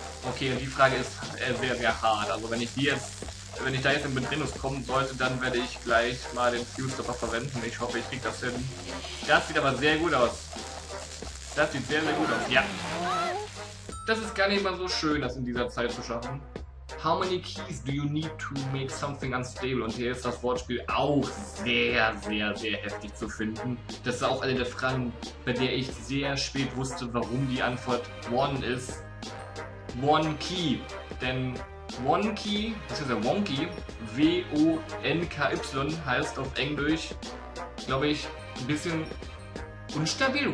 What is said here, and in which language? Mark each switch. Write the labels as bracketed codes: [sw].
[de] Okay, und die Frage ist sehr, sehr hart. Also wenn ich die jetzt, wenn ich da jetzt in Bedrängnis kommen sollte, dann werde ich gleich mal den Fuse-Stopper verwenden. Ich hoffe, ich krieg das hin. Das sieht aber sehr gut aus. Das sieht sehr, sehr gut aus. Ja. Das ist gar nicht mal so schön, das in dieser Zeit zu schaffen. [en] How many keys do you need to make something unstable? [de] Und hier ist das Wortspiel auch sehr, sehr, sehr heftig zu finden. Das ist auch eine der Fragen, bei der ich sehr spät wusste, warum die Antwort one ist. One key. Denn Wonky, das heißt ja Wonky, W-O-N-K-Y, heißt auf Englisch, glaube ich, ein bisschen unstabil.